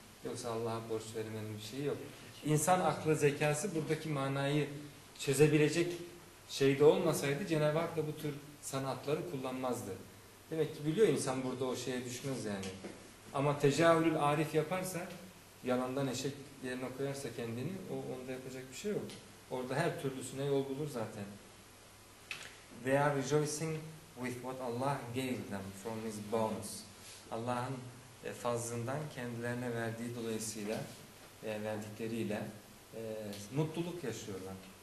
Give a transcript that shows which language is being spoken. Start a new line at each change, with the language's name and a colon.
Turkish: Yoksa Allah'a borç vermenin bir şeyi yok. İnsan aklı, zekası buradaki manayı çözebilecek şeyde olmasaydı Cenab-ı Hak da bu tür sanatları kullanmazdı. Demek ki biliyor insan burada o şeye düşmez yani. Ama tecavülül arif yaparsa, yalandan eşek yerine koyarsa kendini, o onda yapacak bir şey yok. Orada her türlüsüne yol bulur zaten.
English: They are rejoicing with what Allah gave them from his bonus.
Turkish: Allah'ın fazlından kendilerine verdiği dolayısıyla, verdikleriyle mutluluk yaşıyorlar.